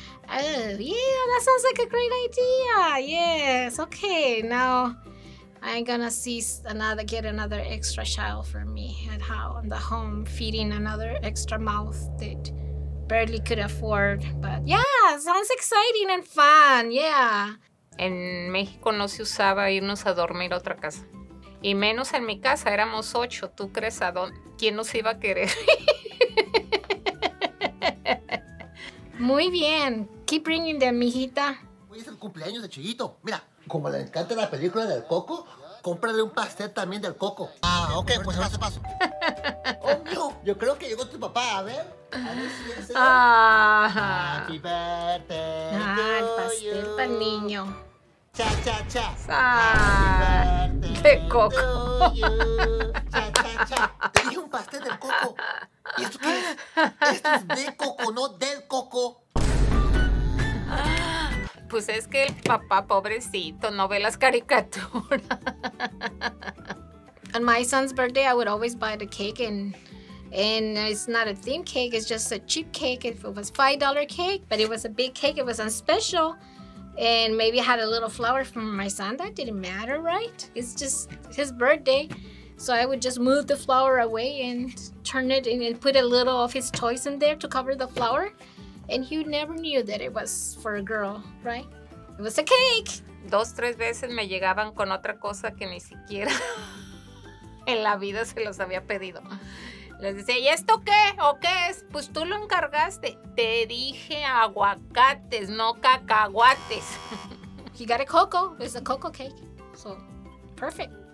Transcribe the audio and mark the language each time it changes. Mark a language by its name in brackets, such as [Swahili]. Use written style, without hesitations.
[English] Oh, yeah, that sounds like a great idea. Yes, okay, now. I ain't gonna see another extra child for me at how in the home feeding another extra mouth that barely could afford. But yeah, sounds exciting and fun. Yeah. [Spanish] En México no se usaba irnos a dormir a otra casa. Y menos en mi casa, éramos 8. ¿Tú crees a dónde? ¿Quién nos iba a querer? Muy bien. [English] Keep bringing them, [Spanish] mijita. Hoy es el cumpleaños de Chiquito. Mira. Como le encanta la película del Coco, cómprale un pastel también del Coco. Ah, ok, pues ahora se pasa. Oh, no, yo creo que llegó tu papá, a ver. [English] Happy birthday. [Spanish] Ah, el pastel para el niño. Cha, cha, cha. [English] Happy birthday. De Coco. Cha, cha, cha. [Spanish] Te dije un pastel del coco. ¿Y esto qué es? Esto es de coco, no del coco. Pues es que el papá, pobrecito, no ve las caricaturas. [English] On my son's birthday, I would always buy the cake and it's not a theme cake, it's just a cheap cake. If it was $5 cake, but it was a big cake, it was on special. And maybe I had a little flower from my son, that didn't matter, right? It's just his birthday. So I would just move the flower away and turn it in and put a little of his toys in there to cover the flower. And he never knew that it was for a girl, right? It was a cake. [Spanish] Dos, tres veces me llegaban con otra cosa que ni siquiera en la vida se los había pedido. Les decía, ¿y esto qué? ¿O qué es? Pues tú lo encargaste. Te dije aguacates, no cacahuates. [English] He got a cocoa. It's a cocoa cake. So, perfect.